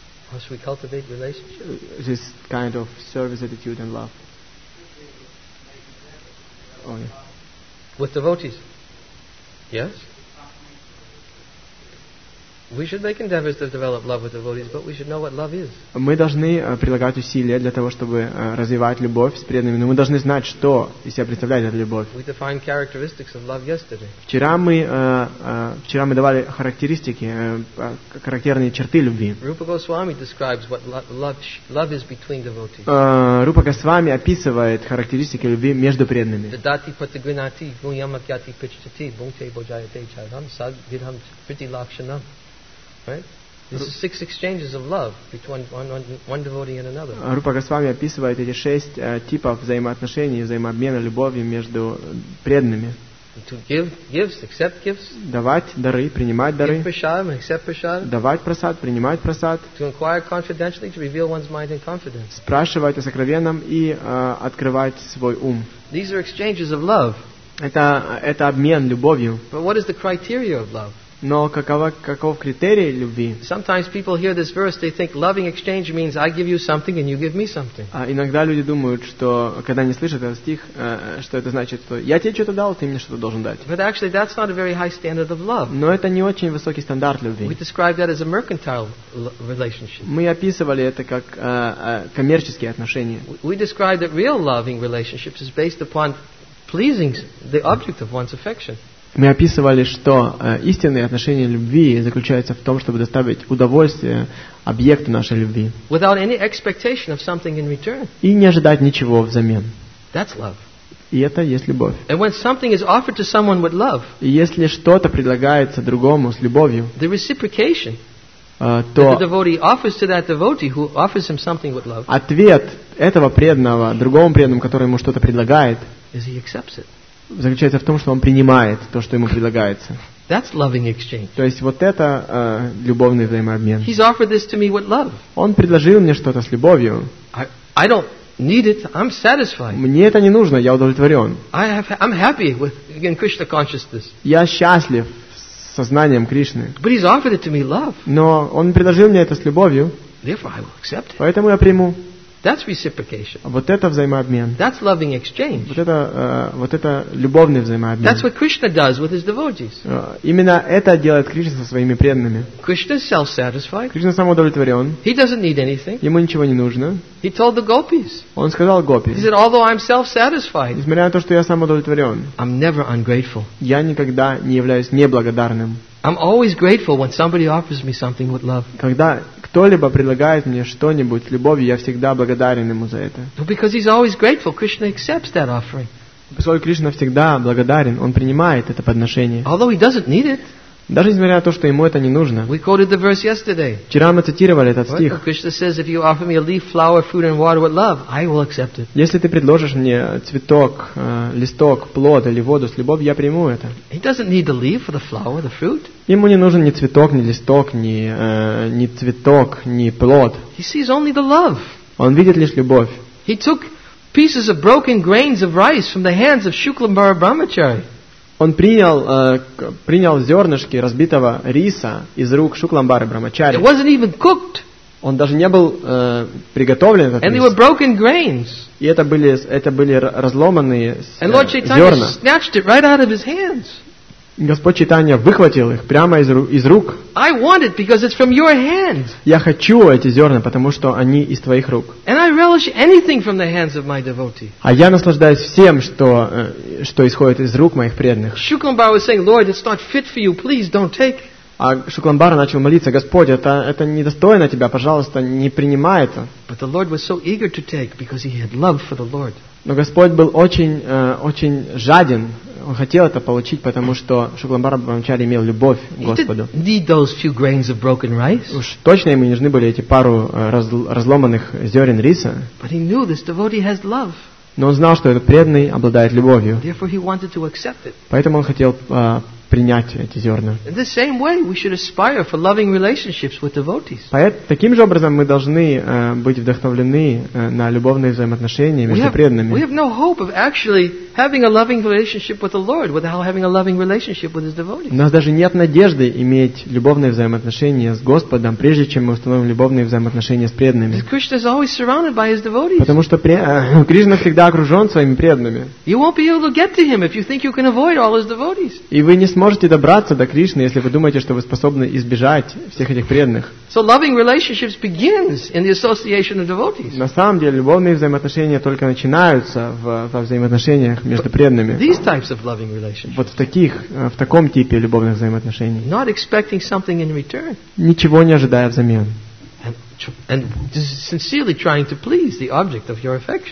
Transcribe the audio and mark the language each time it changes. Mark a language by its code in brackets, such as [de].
[en] How should we cultivate relationship? This kind of service attitude and love. Oh, yeah. With devotees? Yes? We should make endeavors to develop love with devotees, but we should know what love is. [ru] Мы должны прилагать усилия для того, чтобы развивать любовь с преданными, но мы должны знать, что из себя представляет эта любовь. [en] We defined characteristics of love yesterday. [ru] Вчера мы давали характеристики, характерные черты любви. [en] Rupa Goswami describes what love is between devotees. [ru] Rupa Goswami описывает характеристики любви между преданными. [sa] Dati patagrinati gunyamakyati pichchati bhunte bojayate charam sad vidham priti lakshanam. [en] Right? This is six exchanges of love between one devotee and another. [ru] Рупа Госвами описывает эти шесть типов взаимоотношений, взаимообмена любовью между преданными. [en] To give gifts, accept gifts. [ru] Давать дары, принимать дары. [en] Give prasadam, accept prasadam. [ru] Давать прасад, принимать прасад. [en] To inquire confidentially, to reveal one's mind in confidence. [ru] Спрашивать о сокровенном и открывать свой ум. [en] These are exchanges of love. [ru] Это обмен любовью. [en] But what is the criteria of love? [ru] Но каков критерий любви? [en] Sometimes people hear this verse, they think loving exchange means I give you something and you give me something. [ru] А иногда люди думают, что когда они слышат этот стих, что это значит, что я тебе что-то дал, ты мне что-то должен дать. [en] But actually, that's not a very high standard of love. [ru] Но это не очень высокий стандарт любви. [en] We describe that as a mercantile relationship. [ru] Мы описывали это как коммерческие отношения. [en] We describe that real loving relationships is based upon pleasing the object of one's affection. [ru] Мы описывали, что истинные отношения любви заключаются в том, чтобы доставить удовольствие объекту нашей любви. [en] Without any expectation of something in return. [ru] И не ожидать ничего взамен. [en] That's love. [ru] И это есть любовь. [en] And when something is offered to someone with love, [ru] и если что-то предлагается другому с любовью, [en] the reciprocation, [ru] то [en] that the devotee offers to that devotee who offers him something with love, [ru] ответ этого преданного другому преданному, который ему что-то предлагает, [en] is he accepts it. [ru] Заключается в том, что он принимает то, что ему предлагается. [en] That's loving exchange. [ru] То есть вот это любовный взаимообмен. [en] He's offered this to me with love. [ru] Он предложил мне что-то с любовью. [en] I don't need it. I'm satisfied. [ru] Мне это не нужно, я удовлетворен. [en] I'm happy with, again, Krishna consciousness. [ru] Я счастлив сознанием Кришны. [en] But he's offered it to me love. [ru] Но он предложил мне это с любовью. [en] Therefore I will accept it. [ru] Поэтому я приму. [en] That's reciprocation. [ru] Вот это взаимообмен. [en] That's loving exchange. [ru] Вот это любовный взаимообмен. [en] That's what Krishna does with his devotees. [ru] Именно это делает Кришна со своими преданными. [en] Krishna is self-satisfied. [ru] Кришна самоудовлетворен. [en] He doesn't need anything. [ru] Ему ничего не нужно. [en] He told the gopis. [ru] Он сказал гопи. [en] He said, although I'm self-satisfied, [ru] несмотря на то, что я самоудовлетворен, [en] I'm never ungrateful. [ru] Я никогда не являюсь неблагодарным. [en] I'm always grateful when somebody offers me something with love. [ru] Когда кто-либо предлагает мне что-нибудь с любовью, я всегда благодарен ему за это. [en] Well, because he's always grateful, Krishna accepts that offering. [ru] Поскольку Кришна всегда благодарен, он принимает это подношение. [en] Although he doesn't need it. [ru] Даже несмотря на то, что ему это не нужно. [en] We quoted the verse yesterday. [ru] Вчера мы цитировали этот стих. [en] Krishna says, if you offer me a leaf, flower, fruit and water with love, I will accept it. [ru] Если ты предложишь мне цветок, листок, плод или воду с любовью, я приму это. [en] He doesn't need the leaf or the flower, the fruit. [ru] Ему не нужен ни цветок, ни листок, ни цветок, ни плод. [en] He sees only the love. [ru] Он видит лишь любовь. [en] He took pieces of broken grains of rice from the hands of Shuklambara Brahmachari. [ru] Он принял зернышки разбитого риса из рук Шукламбары Брамачари. [en] It wasn't even cooked. [ru] Он даже не был приготовлен этот [en] And [ru] рис. [en] They were broken grains. [ru] И это были разломанные [en] And Lord Chaitanya [ru] зерна. [en] Snatched it right out of his hands. [ru] Господь Чайтанья выхватил их прямо из рук. [en] I want it because it's from your hands. [ru] Я хочу эти зерна, потому что они из твоих рук. [en] And I relish anything from the hands of my devotee. [ru] А я наслаждаюсь всем, что исходит из рук моих преданных. [en] Shuklambara was saying, Lord, it's not fit for you. Please don't take. [ru] А Шукламбара начал молиться, Господь, это недостойно тебя, пожалуйста, не принимай это. [en] But the Lord was so eager to take because he had love for the Lord. [ru] Но Господь был очень жаден. Он хотел это получить, потому что Шукламбара Брамачари имел любовь к Господу. [en] He didn't need those few grains of broken rice. [ru] Уж точно ему нужны были эти пару разломанных зерен риса. [en] But he knew this devotee has love. [ru] Но он знал, что этот преданный обладает любовью. [en] Therefore he wanted to accept it. [ru] Поэтому он хотел принять эти зерна. [en] In the same way, we should aspire for loving relationships with devotees. [ru] Таким же образом мы должны быть вдохновлены на любовные взаимоотношения между преданными. [en] We have no hope of actually having a loving relationship with the Lord without having a loving relationship with his devotees. [ru] У нас даже нет надежды иметь любовные взаимоотношения с Господом, прежде чем мы установим любовные взаимоотношения с преданными. [en] Because Krishna is always surrounded by his devotees. [ru] Потому что Кришна всегда окружен своими преданными. [en] You won't be able to get to him if you think you can avoid all his devotees. [ru] И вы не сможете добраться до Кришны, если вы думаете, что вы способны избежать всех этих преданных. [en] So loving relationships begins in the association of devotees. [ru] На самом деле, любовные взаимоотношения только начинаются во взаимоотношениях между преданными. [en] These types of loving relationships. [ru] Вот в таком типе любовных взаимоотношений. [en] Not expecting something in return. [ru] Ничего не ожидая взамен. [en] And and sincerely trying to please the object of your affection.